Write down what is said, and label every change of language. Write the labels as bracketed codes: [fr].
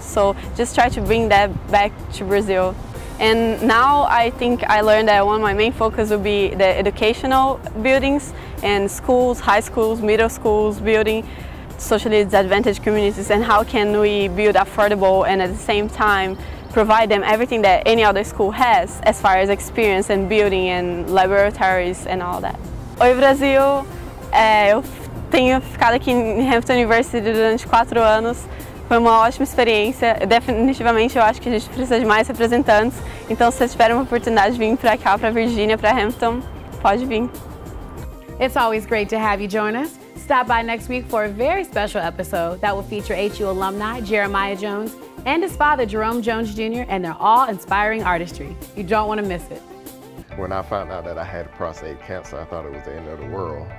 [en] So just try to bring that back to Brazil. And now I think I learned that one of my main focus would be the educational buildings and schools, high schools, middle schools, building socially disadvantaged communities, and how can we build affordable and at the same time provide them everything that any other school has as far as experience and building and laboratories and all that. [pt] Oi Brasil! Eu tenho ficado aqui em Hampton University durante 4 anos. Foi uma ótima experiência. Definitivamente, eu acho que a gente precisa de mais representantes. Então, se vocês tiverem uma oportunidade de vir para cá, para Virgínia, para Hampton, pode vir. [en] It's always great to have you join us. Stop by next week for a very special episode that will feature HU alumni Jeremiah Jones and his father, Jerome Jones Jr., and their awe-inspiring artistry. You don't want to miss it. When I found out that I had prostate cancer, I thought it was the end of the world.